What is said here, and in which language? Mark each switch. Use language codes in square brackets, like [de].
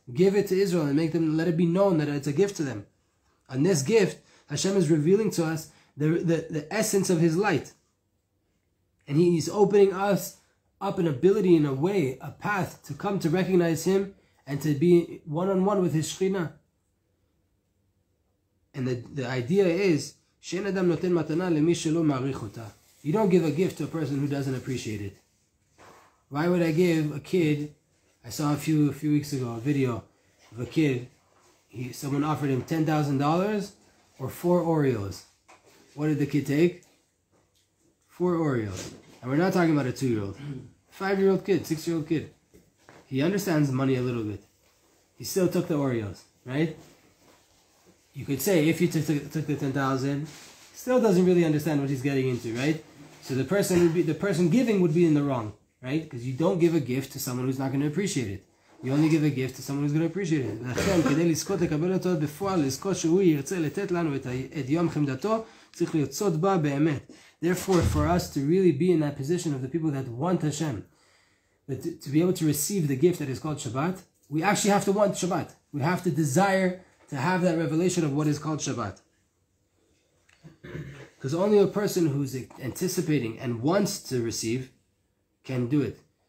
[en] Give it to Israel and make them let it be known that it's a gift to them. And this gift, Hashem is revealing to us the essence of His light. And He's opening us up an ability, in a way, a path to come to recognize Him and to be one-on-one with His Shekhinah. And the idea is, [he] שאין אדם נותן מתנה למי שלא מעריך אותה. [en] You don't give a gift to a person who doesn't appreciate it. Why would I give a kid? I saw a few weeks ago a video of a kid. Someone offered him $10,000 or four Oreos. What did the kid take? 4-year-old, and we're not talking about a 2-year-old, 5-year-old kid, 6-year-old kid, he understands money a little bit. He still took the Oreos, right? You could say, if you took the 10,000, still doesn't really understand what he's getting into, right? So the person giving would be in the wrong, right? Because you don't give a gift to someone who's not going to appreciate it. You only give a gift to someone who's going to appreciate it. [he] לכן, כדי לזכות לקבל אותו בפועל, לזכות שהוא ירצה לתת לנו את יום חמדתו, צריך לרצות בה באמת. [en] Therefore, for us to really be in that position of the people that want Hashem, that to be able to receive the gift that is called Shabbat, we actually have to want Shabbat. We have to desire to have that revelation of what is called Shabbat. Because only a person who's anticipating and wants to receive can do it.